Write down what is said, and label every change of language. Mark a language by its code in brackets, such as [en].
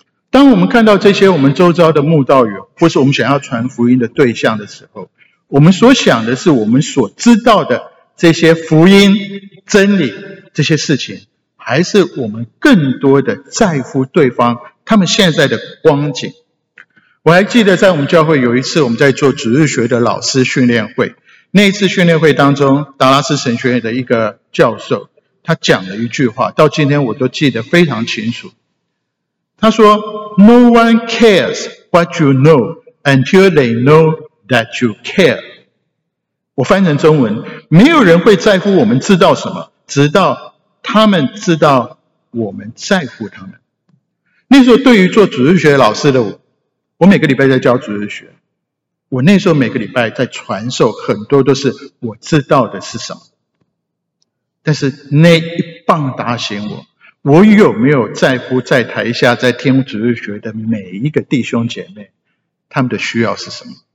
[zh] 当我们看到这些我们周遭的慕道友或是我们想要传福音的对象的时候，我们所想的是我们所知道的这些福音真理这些事情，还是我们更多的在乎对方他们现在的光景？我还记得在我们教会有一次我们在做主日学的老师训练会，那一次训练会当中，达拉斯神学院的一个教授，他讲了一句话，到今天我都记得非常清楚。他说 [en] No one cares what you know until they know that you care。 [zh] 我翻成中文，没有人会在乎我们知道什么，直到他们知道我们在乎他们。那时候对于做主日学老师的我每个礼拜在教主日学，我那时候每个礼拜在传授很多都是我知道的是什么，但是那一棒打醒我，我有没有在乎在台下在天主日学的每一个弟兄姐妹他们的需要是什么？